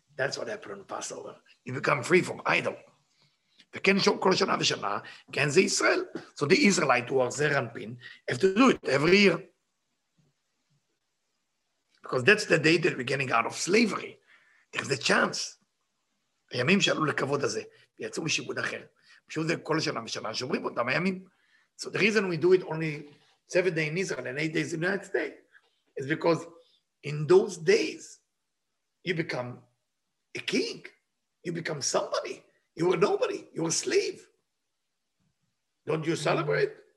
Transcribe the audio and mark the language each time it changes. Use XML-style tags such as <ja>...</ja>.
<en>That's what happened on Passover. You become free from idol. So the Israelite who are Zeranpin have to do it every year. Because that's the day that we're getting out of slavery. There's a chance.</en> <he>הימים שעלו לכבוד הזה, יצאו משיבוד אחר. משום זה כל שנה ושנה, שומרים אותם הימים.</he> <en>So the reason we do it only 7 days in Israel and 8 days in the United States is because in those days, you become a king. You become somebody. You were nobody. You were a slave. Don't you celebrate?</en>